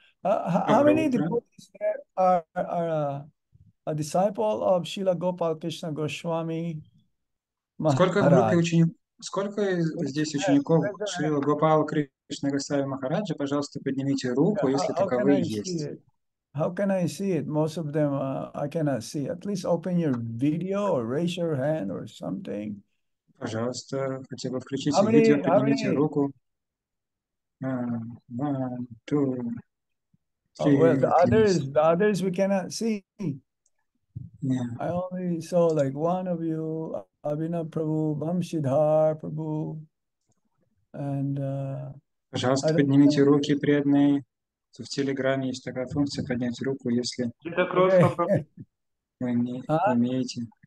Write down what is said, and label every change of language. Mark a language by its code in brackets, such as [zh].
[en] How many devotees there are a disciple of Srila Gopal Krishna Goswami Maharaj? [ru] Сколько здесь учеников Шрила Гопала Кришны Госвами Махараджа? Пожалуйста, поднимите руку, если таковые есть. [en] How can I see it? Most of them I cannot see. At least open your video or raise your hand or something. [ru] Пожалуйста, хотя бы включите [en] how many, [ru] видео, поднимите руку. [en] One, two, three. Well, the others we cannot see. Yeah. I only saw like one of you, Abhinav Prabhu, Vamshidhar Prabhu, and... [ru] Пожалуйста, поднимите руки, преданные. В Телеграме есть такая функция поднять руку, если вы не умеете.